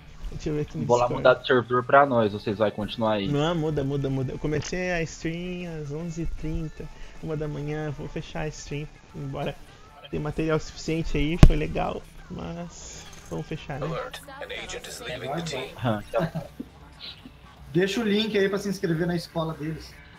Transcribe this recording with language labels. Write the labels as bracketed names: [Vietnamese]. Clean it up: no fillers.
[Portuguese] Deixa eu ver aqui no Discord. Vou lá mudar de servidor pra nós, vocês vão continuar aí. Não, muda. Eu comecei a stream às 11h30, 1 da manhã, vou fechar a stream. Embora tem material suficiente aí, foi legal, mas vamos fechar, né? [English] Alert, an agent is leaving the team. [Portuguese] Deixa o link aí pra se inscrever na escola deles.